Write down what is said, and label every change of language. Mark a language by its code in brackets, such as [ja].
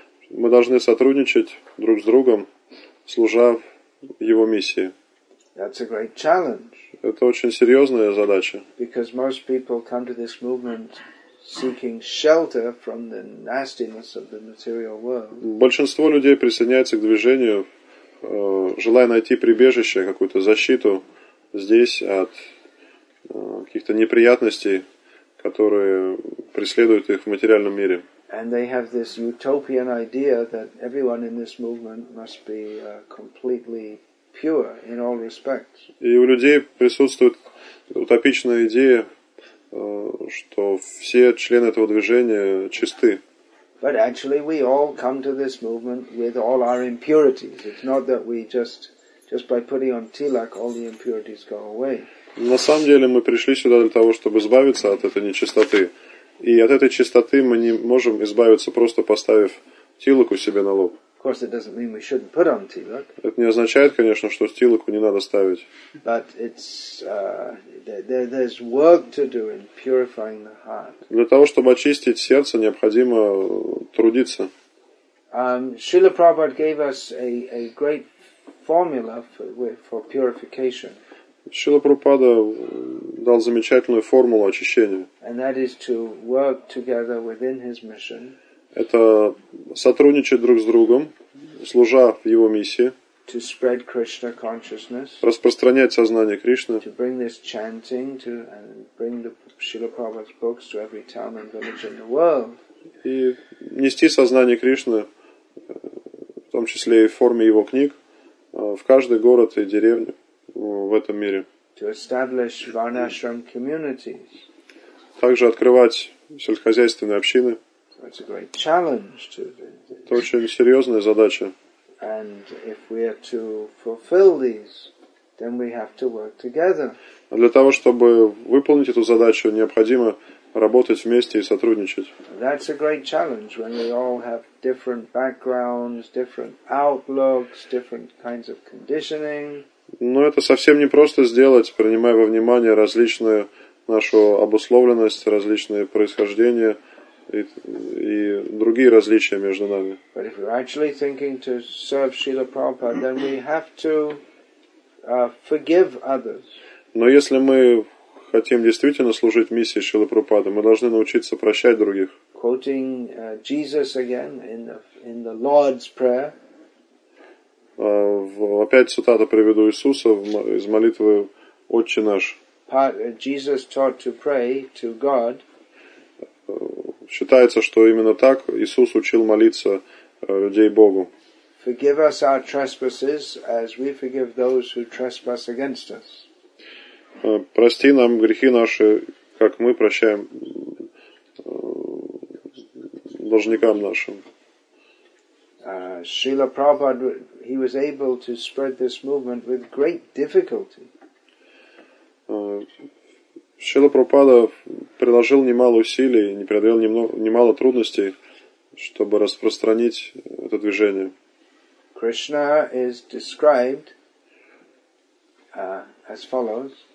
[ru] Мы должны сотрудничать друг с другом, служа его миссии. [en] That's a great challenge. [ru] Это очень серьезная задача. [en] Because most people come to this movement seeking shelter from the nastiness of the material world. [ru] Большинство людей присоединяется к движению, желая найти прибежище, какую-то защиту здесь от каких-то неприятностей, которые преследуют их в материальном мире. [en] And they have this utopian idea that everyone in this movement must be completely pure in all respects. [ru] И у людей присутствует утопичная идея, что все члены этого движения чисты. [en] But actually we all come to this movement with all our impurities. It's not that we just by putting on tilak all the impurities go away. [ru] На самом деле мы пришли сюда для того, чтобы избавиться от этой нечистоты. И от этой чистоты мы не можем избавиться, просто поставив тилак у себя на лоб. [en] course, it doesn't mean we shouldn't put on tilak. [ru] Это не означает, конечно, что тилаку не надо ставить. [en] But it's there's work to do in purifying the heart. [ru] Для того, чтобы очистить сердце, необходимо трудиться. [en] Шрила Прабхупада gave us a great formula for purification. [ru] Шрила Прабхупада дал замечательную формулу очищения. [en] And that is to work together within his mission. [ru] Это сотрудничать друг с другом, служа в его миссии, [en] to spread Krishna consciousness, [ru] распространять сознание Кришны, [en] to bring this chanting to and bring the Srila Prabhupada's books to every town and village in the world. [ru] И нести сознание Кришны, в том числе и в форме его книг, в каждый город и деревню в этом мире. [en] To establish varnashram communities. [ru] Также открывать сельскохозяйственные общины. [en] It's a great challenge to do. [ru] Это очень серьезная задача. [en] And if we are to fulfill these, then we have to work together. [ru] Для того, чтобы выполнить эту задачу, необходимо работать вместе и сотрудничать. [en] That's a great challenge when we all have different backgrounds, different outlooks, different kinds of conditioning. [ru] Но это совсем не просто сделать, принимая во внимание различную нашу обусловленность, различные происхождения. И другие различия между нами. [en] But if we're actually thinking to serve Srila Prabhupada, then we have to forgive others. [ru] Но если мы хотим действительно служить миссии Шрилы Прабхупады, мы должны научиться прощать других. [en] Quoting Jesus again in the Lord's Prayer. [ru] Опять цитата приведу Иисуса из молитвы Отче наш. [en] Jesus taught to pray to God. [ru] Считается, что именно так Иисус учил молиться людей Богу. [en] Forgive us our trespasses, as we forgive those who trespass against us. [ru] Прости нам грехи наши, как мы прощаем должникам нашим. [en] Srila Prabhupada, he was able to spread this movement with great difficulty. [ru] Шрила Прабхупада приложил немало усилий, не преодолел немало трудностей, чтобы распространить это движение. [en] Krishna is described as follows.